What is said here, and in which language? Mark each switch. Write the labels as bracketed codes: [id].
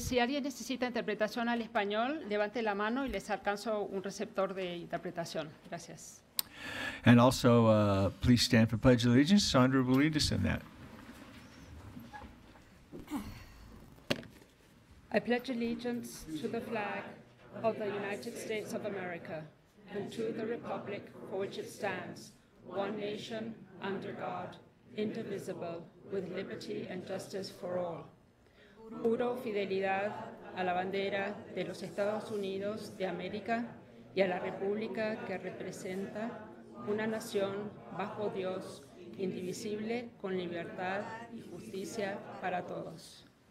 [es] Si alguien necesita interpretación al español, levante la mano y les alcanzo un receptor de interpretación. Gracias. [en] And also, please stand for Pledge of Allegiance. Sandra will lead us in that. I pledge allegiance to the flag of the United States of America and to the republic for which it stands, one nation, under God, indivisible, with liberty and justice for all. [es] Juro fidelidad a la bandera de los Estados Unidos de América y a la república que representa una nación bajo Dios, indivisible, con libertad y justicia para todos.